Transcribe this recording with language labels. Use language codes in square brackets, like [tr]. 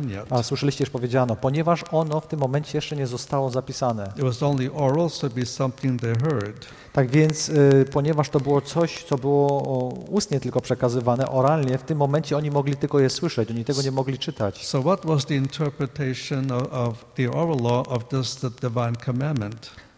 [pl] A słyszeliście, już powiedziano, ponieważ ono w tym momencie jeszcze nie zostało zapisane. [en] It was only oral, so it'd be something they heard. [pl] Tak więc, ponieważ to było coś, co było ustnie tylko przekazywane, oralnie, w tym momencie oni mogli tylko je słyszeć, oni tego nie mogli czytać. [en] So what was the interpretation of the oral law of this the divine commandment?